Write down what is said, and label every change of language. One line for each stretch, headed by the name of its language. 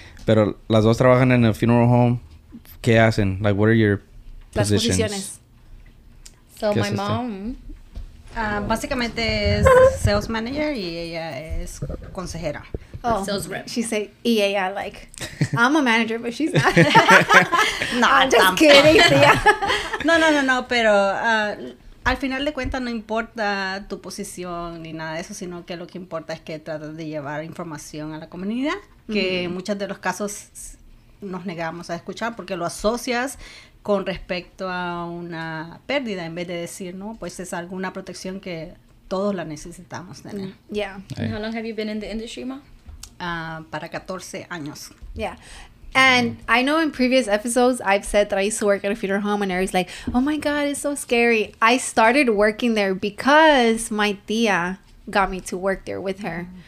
Spanish: Pero las dos trabajan en
English: a funeral home.
Spanish: ¿Qué hacen?
English: Like, what are your positions? So my mom...
Spanish: básicamente es sales manager y ella es consejera.
English: Oh, sales rep. She said, yeah, yeah, like, I'm a manager, but she's not. No, I'm just kidding, tía.
Spanish: No, pero al final de cuentas no importa tu posición ni nada de eso, sino que lo que importa es que tratas de llevar información a la comunidad, que en muchos de los casos nos negamos a escuchar porque lo asocias con respecto a una pérdida, en vez de decir, ¿no? Pues es alguna protección que todos la necesitamos tener.
English: Yeah. Hey. How long have you been in the industry, Ma?
Spanish: Para 14 años.
English: Yeah. And I know in previous episodes, I've said that I used to work at a funeral home, and everybody's like, oh my God, it's so scary. I started working there because my tía got me to work there with her.